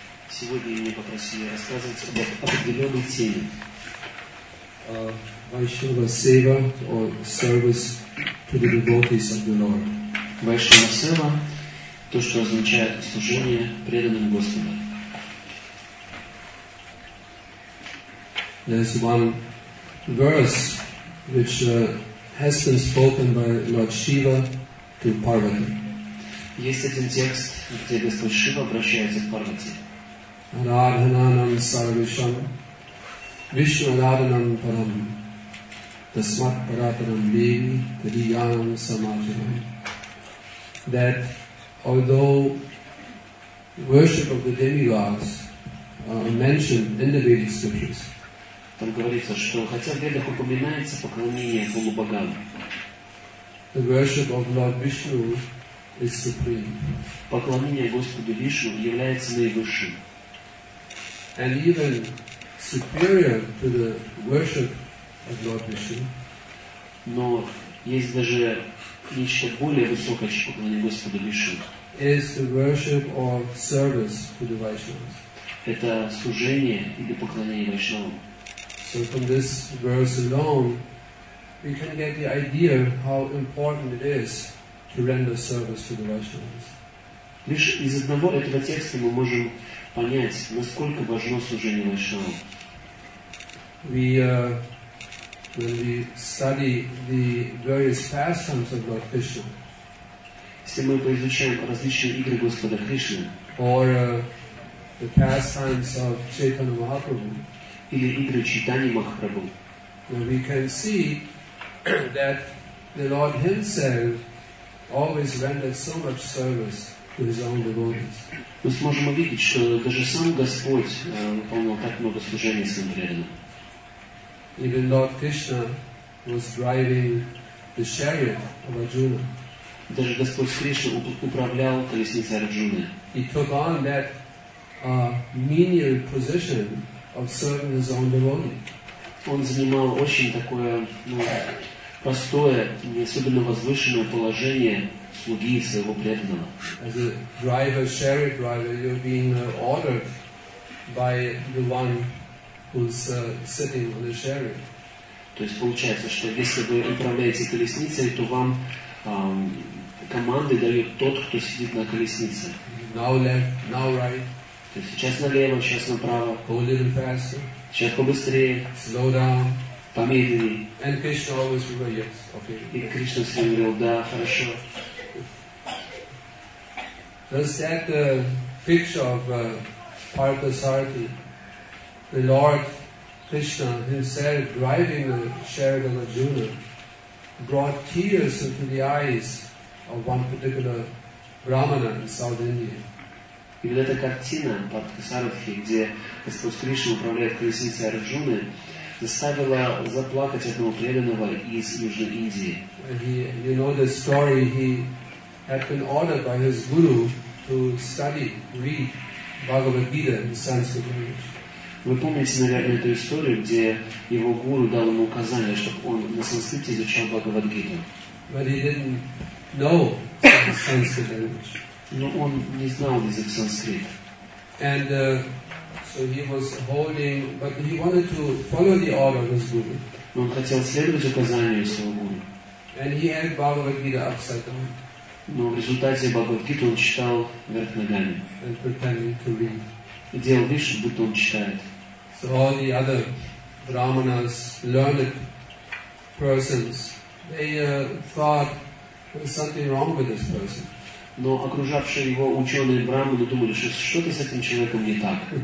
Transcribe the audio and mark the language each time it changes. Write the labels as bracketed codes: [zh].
[ru] Сегодня я попросил рассказывать об определенной теме. [en] Vaishnava Seva or service to the devotees of the Lord. [ru] Vaishnava Seva, то, что означает служение преданным Господу. [en] There's one verse which has been spoken by Lord Shiva to Parvati. [ru] Есть один текст, где Господь Шива обращается к Парвати. [sa] Radhananam Sarvisham. Vishwanadhanam param tasmat parataram devi tadiyanam samajaram. [en] That although worship of the demigods are mentioned in the Vedic scriptures, [ru] там говорится, что хотя в Ведах упоминается поклонение полубогам, [en] the worship of Lord Vishnu is supreme. [ru] Поклонение Господу Вишну является наивысшим. [en] And even superior to the worship of Lord Vishnu. [ru] Но есть даже нечто более высокое, чем поклонение Господу Вишну. [en] Is the worship or service to the Vaishnavas. [ru] Это служение или поклонение Вайшнавам. [en] So from this verse alone, we can get the idea how important it is to render service to the Vaishnavas. [ru] Лишь из одного этого текста мы можем понять, насколько важно служение Вайшнавам. [en] When we study the various pastimes of Lord Krishna, [ru] если мы поизучаем различные игры Господа Кришны, [en] or the pastimes of Chaitanya Mahaprabhu, [ru] или игры Чайтаньи Махапрабху, [en] then we can see that the Lord Himself always rendered so much service to His own devotees. [ru] Мы сможем увидеть, что даже сам Господь выполнял так много служений своим преданным. [en] Even Lord Krishna was driving the chariot of Arjuna. [ru] Даже Господь Кришна управлял колесницей Арджуны. [en] He took on that menial position of serving his own devotee. [ru] Он занимал очень такое простое, не особенно возвышенное положение слуги своего преданного. [en] As a driver, chariot driver, you're being ordered by the one who's sitting on the chariot. [ru] То есть получается, что если вы управляете колесницей, то вам команды дает тот, кто сидит на колеснице. [en] Now left, now right. [ru] То есть сейчас налево, сейчас направо. [en] Go a little faster. [ru] Сейчас побыстрее. [en] Slow down. [ru] Помедленнее. [en] And Krishna always will go, yes, okay. [ru] И Кришна всегда говорил, да, хорошо. [en] Does that picture of Parthasarathi, the Lord Krishna Himself driving the chariot of Arjuna, brought tears into the eyes of one particular Brahmana in South India? [ru] И вот эта картина Парвасарадхи, где Господь Кришна управляет колесницей Арджуны, заставила заплакать одного преданного из Южной Индии. [en] You know the story, he had been ordered by his guru to study, read Bhagavad Gita in Sanskrit language. [ru] Вы помните, наверное, эту историю, где его гуру дал ему указание, чтобы он на санскрите изучал Бхагавад-гиту. [en] But he didn't know the Sanskrit language. [ru] Но он не знал язык санскрит. [en] And so he was holding, but he wanted to follow the order of his guru. [ru] Он хотел следовать указанию своего гуру. [en] And he had Бхагавад-гиту upside down. [ru] Но в результате Бхагавад-гиту он читал вверх ногами. [en] And pretending to read. [ru] И делал вид, что будто он читает. [en] So all the other brahmanas, learned persons, they thought there was something wrong with this person. [ru] Но окружавшие его ученые брахманы думали, что что-то с этим человеком не так.